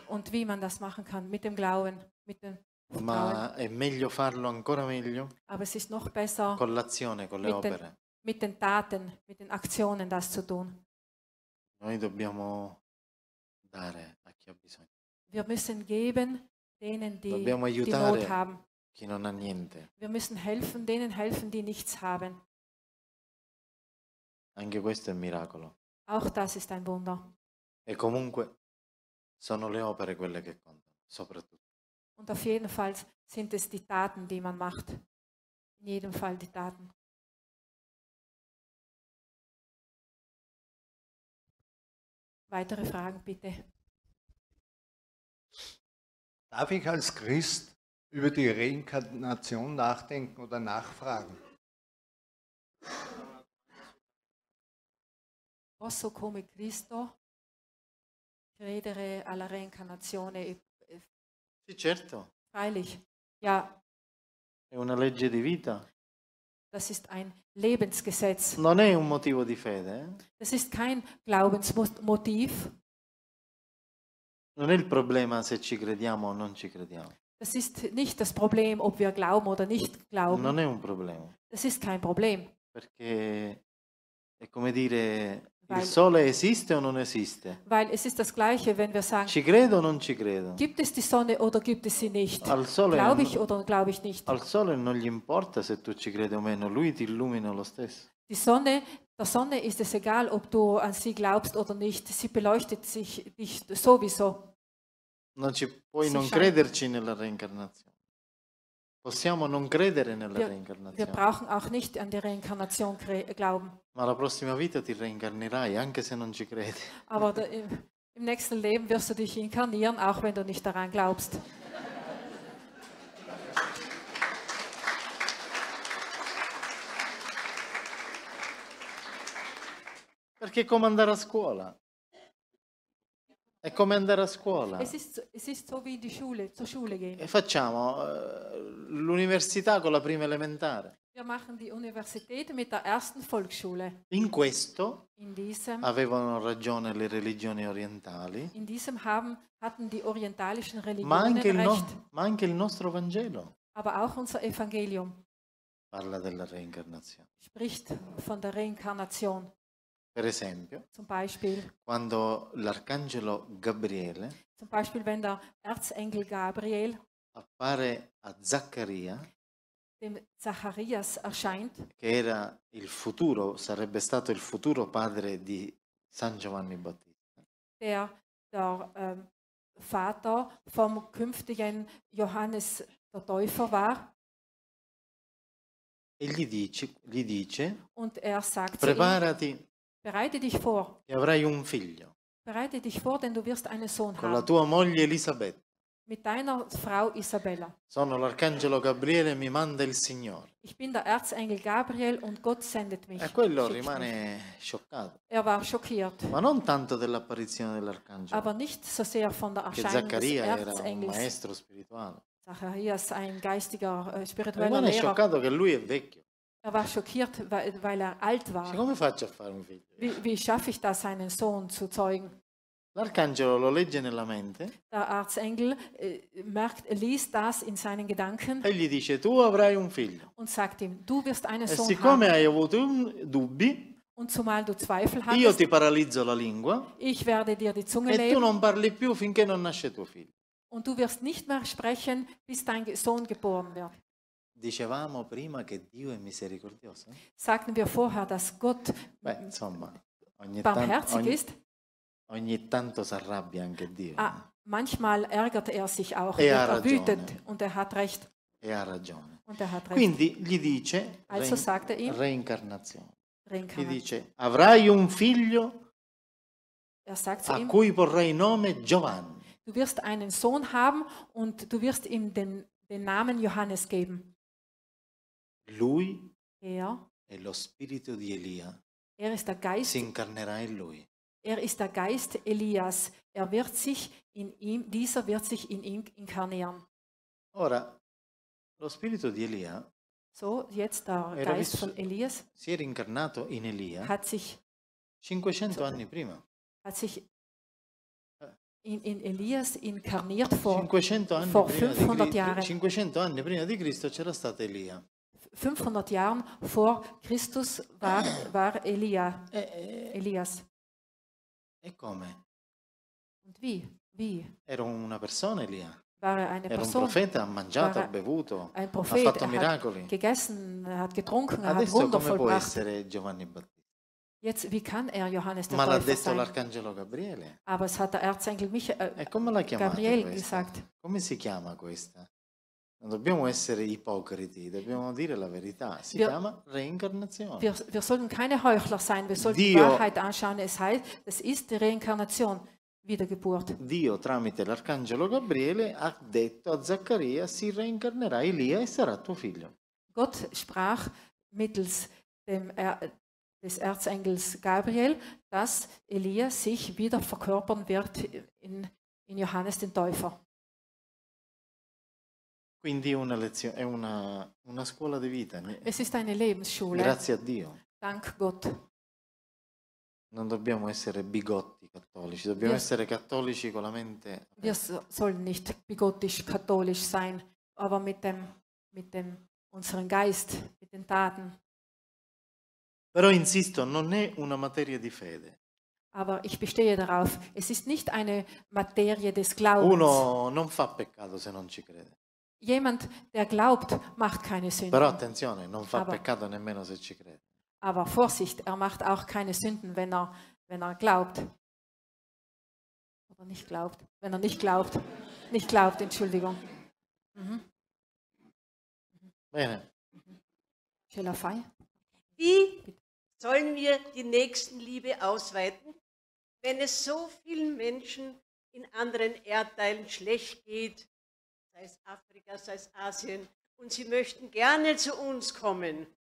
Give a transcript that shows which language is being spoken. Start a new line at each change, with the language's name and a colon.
German: Und wie man das machen kann, mit dem Glauben. Mit dem
Italian: Ma
German: Glauben.
Italian: È meglio farlo ancora meglio.
German: Aber es ist noch besser,
Italian: con l'azione, con le opere.
German: Mit den Taten, mit den Aktionen das zu tun.
Italian: Noi dobbiamo dare a chi ha bisogno.
German: Wir müssen geben denen, die Not haben.
Italian: Chi non ha niente.
German: Wir müssen helfen, denen helfen, die nichts haben.
Italian: Anche questo è un miracolo.
German: Auch das ist ein Wunder.
Italian: E comunque. Sono le opere quelle che contano, soprattutto.
German: Und auf jeden Fall sind es die Taten, die man macht. In jedem Fall die Taten. Weitere Fragen bitte. Darf ich als Christ über die Reinkarnation nachdenken oder nachfragen?
Italian: Posso come Cristo credere alla reincarnazione? Sì, certo.
German: Freilich, ja.
Italian: È una legge di vita.
German: Das ist ein Lebensgesetz.
Italian: Non è un motivo di fede.
German: Das ist kein Glaubensmotiv.
Italian: Non è il problema se ci crediamo o non ci crediamo.
German: Das ist nicht das Problem, ob wir glauben oder nicht glauben.
Italian: Non è un problema.
German: Das ist kein Problem.
Italian: Perché è come dire,
German: weil,
Italian: il sole esiste o non esiste?
German: Weil es ist das gleiche, wenn wir sagen,
Italian: ci credo o non ci credo?
German: Gibt es die Sonne oder gibt es sie nicht?
Italian: Al sole
German: glaube ich oder glaube ich nicht?
Italian: Al sole non gli importa se tu ci credi o meno, lui ti illumina lo stesso.
German: Die Sonne, der Sonne ist es egal, ob du an sie glaubst oder nicht, sie beleuchtet sich dich sowieso.
Italian: Non ci puoi non crederci nella reincarnazione. Possiamo non credere nella reincarnazione.
German: Wir brauchen auch nicht an die Reinkarnation glauben.
Italian: Ma la prossima vita ti reincarnerai, anche se non ci credi.
German: Aber im nächsten Leben wirst du dich inkarnieren, auch wenn du nicht daran glaubst.
Italian: Perché è come andare a scuola. È come andare a scuola. E facciamo l'università con la prima elementare.
German: Wir machen die Universität mit der ersten Volksschule.
Italian: In questo
German: in diesem,
Italian: avevano ragione le religioni orientali.
German: In diesem haben, hatten die orientalischen Religionen
Italian: ma anche
German: recht.
Italian: Ma anche il nostro Vangelo.
German: Aber auch unser Evangelium.
Italian: Parla della reincarnazione.
German: Spricht von der Reinkarnation.
Italian: Per esempio,
German: zum Beispiel,
Italian: quando l'arcangelo Gabriele,
German: zum Beispiel, wenn der Erzengel Gabriel
Italian: appare a Zaccaria,
German: dem Zacharias erscheint,
Italian: che era il futuro, sarebbe stato il futuro padre di San Giovanni Battista,
German: der Vater vom künftigen Johannes der Täufer war.
Italian: E gli dice
German: und er sagt,
Italian: preparati.
German: Bereite dich vor.
Italian: E avrai un figlio.
German: Bereite dich vor, denn du wirst einen Sohn
Italian: con
German: haben.
Italian: La tua moglie Elisabeth.
German: Mit deiner Frau Isabella.
Italian: Sono l'arcangelo Gabriele, mi manda il Signore.
German: Ich bin der Erzengel Gabriel und Gott sendet mich.
Italian: E quello rimane scioccato.
German: Er war schockiert.
Italian: Ma non tanto dell'apparizione dell'arcangelo.
German: Aber nicht so sehr von der Erscheinung des Erzengels.
Italian: Che Zaccaria era un maestro spirituale.
German: Zacharias ein geistiger spiritueller Lehrer.
Italian: Rimane scioccato che lui è vecchio.
German: Er war schockiert, weil er alt war.
Italian: Come faccio a fare un figlio?
German: Wie schaffe ich das, einen Sohn zu zeugen?
Italian: L'arcangelo lo legge nella mente.
German: Der Erzengel liest das in seinen Gedanken.
Italian: E gli dice, tu avrai un figlio.
German: Und sagt ihm, du wirst einen Sohn haben.
Italian: E siccome hai avuto dubbi.
German: Und zumal du Zweifel hast.
Italian: Io ti paralizzo la lingua.
German: Ich werde dir die Zunge leben.
Italian: E tu non parli più finché non nasce tuo figlio.
German: Und du wirst nicht mehr sprechen, bis dein Sohn geboren wird.
Italian: Dicevamo prima che Dio è misericordioso?
German: Sagten wir vorher, dass Gott barmherzig ist?
Italian: Ogni tanto si arrabbia anche Dio.
German: Manchmal ärgert er sich auch.
Italian: E ha ragione.
German: Und er hat recht.
Italian: E ha ragione.
German: Und er hat recht.
Italian: Quindi gli dice,
German: also sagt er ihm,
Italian: Reincarnazione. Gli dice, avrai un figlio cui porrai nome Giovanni.
German: Du wirst einen Sohn haben und du wirst ihm den Namen Johannes geben.
Italian: Lui
German: er,
Italian: è lo spirito di Elia.
German: Er ist der Geist,
Italian: si incarnerà in lui.
German: Er ist der Geist Elias. Er wird sich in ihm, dieser wird sich in ihm inkarnieren.
Italian: Ora, lo spirito di Elia.
German: So, jetzt der Geist von Elias.
Italian: Si era incarnato in Elia.
German: Hat sich
Italian: 500 anni prima.
German: Hat sich in Elias inkarniert vor
Italian: 500 anni
German: vor
Italian: prima
German: 500
Italian: di
German: Jahren.
Italian: 500 anni prima di Cristo c'era stato Elia.
German: 500 Jahren vor Christus war Elia, Elias.
Italian: E come?
German: Und wie?
Italian: Era una persona Elia.
German: War er eine
Italian: era
German: Person?
Italian: Un profeta, ha mangiato, ha bevuto,
German: ein Prophet,
Italian: ha fatto miracoli.
German: Hat gegessen, hat getrunken,
Italian: adesso
German: hat Wunder
Italian: come
German: vollbracht.
Italian: Può essere Giovanni Battista?
German: Jetzt, wie kann er Johannes der
Italian: Ma
German: Täufer
Italian: l'ha detto
German: sein?
Italian: L'arcangelo Gabriele.
German: Aber es hat der Erzengel
Italian: Gabriel questa?
German: Gesagt.
Italian: Come si chiama questa? Non dobbiamo essere ipocriti, dobbiamo dire la verità. Si chiama reincarnazione.
German: Wir sollten keine Heuchler sein, wir sollten die Wahrheit anschauen. Es heißt, es ist die Reinkarnation. Wiedergeburt.
Italian: Dio tramite l'arcangelo Gabriele ha detto a Zaccaria: si reincarnerà Elia e sarà tuo figlio.
German: Gott sprach mittels dem des Erzengels Gabriel, dass Elia sich wieder verkörpern wird in Johannes den Täufer.
Italian: Quindi una lezione, è una scuola di vita.
German: Es ist eine Lebensschule.
Italian: Grazie a Dio.
German: Dank Gott.
Italian: Non dobbiamo essere bigotti cattolici, dobbiamo essere cattolici con la mente.
German: Wir sollen nicht bigottisch katholisch sein, aber mit dem unseren Geist, mit den Taten.
Italian: Però insisto, non è una materia di fede.
German: Aber ich bestehe darauf, es ist nicht eine Materie des Glaubens.
Italian: Uno non fa peccato se non ci crede.
German: Jemand, der glaubt, macht keine Sünden.
Italian: Però attenzione, non fa peccato nemmeno se ci crede.
German: Aber Vorsicht, er macht auch keine Sünden, wenn er glaubt. Oder nicht glaubt, wenn er nicht glaubt. Nicht glaubt, Entschuldigung.
Italian: Bene.
German: Schöner Fall. Wie sollen wir die Nächstenliebe ausweiten, wenn es so vielen Menschen in anderen Erdteilen schlecht geht, sei es Afrika, sei es Asien, und sie möchten gerne zu uns kommen?